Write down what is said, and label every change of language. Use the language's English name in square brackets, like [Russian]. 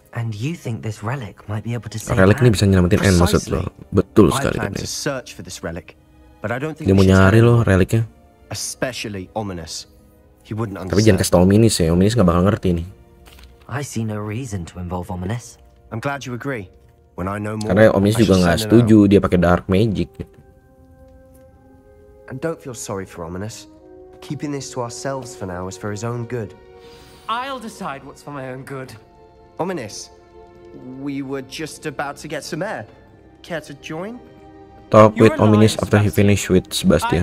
[English] And you think this relic might be able to save. [Indonesian] Relic ini bisa nyelamatin N maksud lo. Betul sekali. [English] I plan to search for this relic. But I don't think [Indonesian] dia mau nyari loh reliknya. [English] Especially ominous. He wouldn't understand. [Indonesian] Tapi jangan kasih tau Ominous ya. Ominous nggak bakal ngerti nih. [English] I see no reason to involve Ominous. I'm glad you agree. When I know more, [Indonesian] karena Ominous juga nggak setuju dia pakai dark magic. [English] And don't feel sorry for Ominous. Keeping this to ourselves for now is for his own good. I'll decide what's for my own good. Ominous, we were just about to get some air. Care to join? Talk with Ominous after he finished with Sebastian.